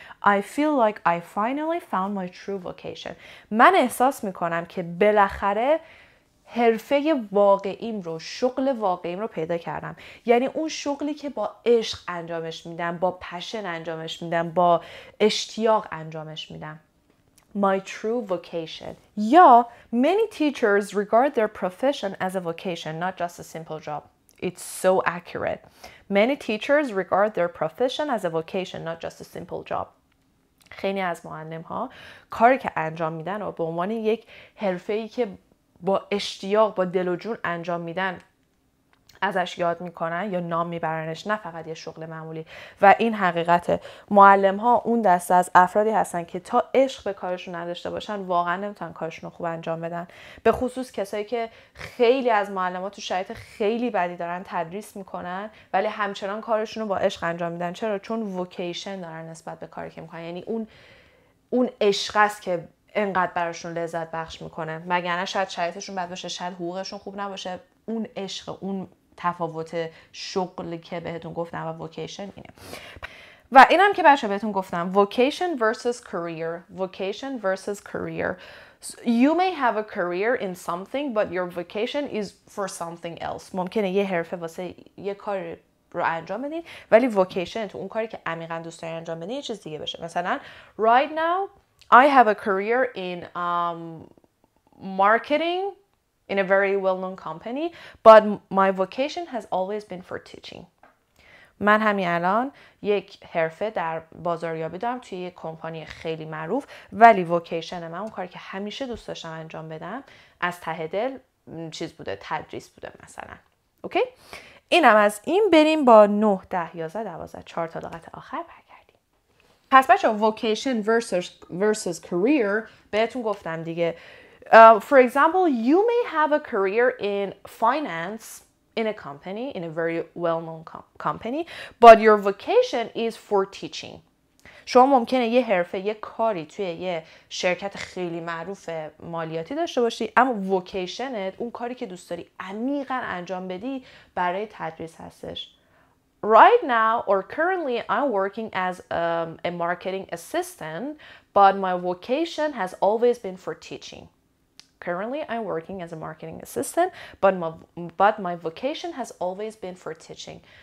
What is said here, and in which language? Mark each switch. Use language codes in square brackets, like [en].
[en] I feel like I finally found my true vocation. [fa] من احساس میکنم که بالاخره حرفه واقعیم رو، شغل واقعیم رو پیدا کردم. یعنی اون شغلی که با عشق انجامش میدم، با پشن انجامش میدم، با اشتیاق انجامش میدم. [en] My true vocation. Yeah, many teachers regard their profession as a vocation, not just a simple job. It's so accurate. Many teachers regard their profession as a vocation, not just a simple job. [fa] خیلی از معلم ها کاری که انجام میدن و به عنوان یک حرفه ای که با اشتیاق با دل و جون انجام میدن ازش یاد میکنن یا نام میبرنش، نه فقط یه شغل معمولی. و این حقیقته، معلم ها اون دسته از افرادی هستن که تا عشق به کارشون نداشته باشن واقعا نمیتونن کارشون رو خوب انجام بدن، به خصوص کسایی که خیلی از معلم ها تو شرایط خیلی بدی دارن تدریس میکنن ولی همچنان کارشون رو با عشق انجام میدن. چرا؟ چون ووکیشن دارن نسبت به کاری که میکنن، یعنی اون عشق است که اینقدر براشون لذت بخش میکنه. مگرنه شاید شرایطشون بد باشه، شاید حقوقشون خوب نباشه. اون عشق، اون تفاوت شغلی که بهتون گفتم و ووکیشن اینه. و اینم که بچه بهتون گفتم، [en] Vocation versus career, vocation versus career. You may have a career in something but your vocation is for something else. [fa] ممکنه یه حرفه واسه یه کار رو انجام بدین ولی ووکیشن تو اون کاری که عمیقا دوست دارین انجام بدین یه چیز دیگه بشه. [en] مثلا right now I have a career in marketing in a very well-known company, but my vocation has always been for teaching. [fa] من همین الان یک حرفه در بازاریابی دارم توی یک کمپانی خیلی معروف، ولی vocation من، اون کاری که همیشه دوست داشتم انجام بدم، از ته دل چیز بوده، تدریس بوده مثلا. اوکی؟ اینم از این. بریم با 9 10 11 12 4 تا لغت آخر بریم. پس بچه [en] vocation versus career [fa] بهتون گفتم دیگه. [en] For example, you may have a career in finance in a company, in a very well-known company, but your vocation is for teaching. [fa] شما ممکنه یه حرفه، یه کاری توی یه شرکت خیلی معروف مالیاتی داشته باشی، اما vocationت، اون کاری که دوست داری عمیقا انجام بدی، برای تدریس هستش. [en] Right now or currently I'm working as a marketing assistant but my vocation has always been for teaching. Currently I'm working as a marketing assistant but my vocation has always been for teaching.